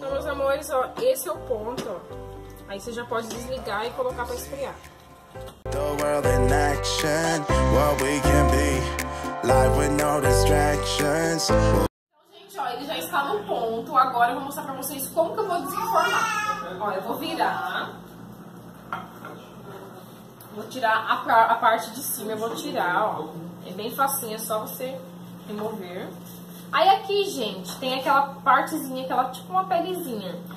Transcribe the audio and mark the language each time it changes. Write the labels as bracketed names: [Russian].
[Portuguese] meus amores, ó, esse é o ponto, ó. Aí você já pode desligar e colocar para esfriar. [English] What we can be, life with no distractions. [Portuguese] Ele já está no ponto. Agora eu vou mostrar pra vocês como que eu vou desenformar. Olha, eu vou virar. Vou tirar a parte de cima. Eu vou tirar, ó. É bem facinho, é só você remover. Aí aqui, gente, tem aquela partezinha, aquela tipo uma pelezinha.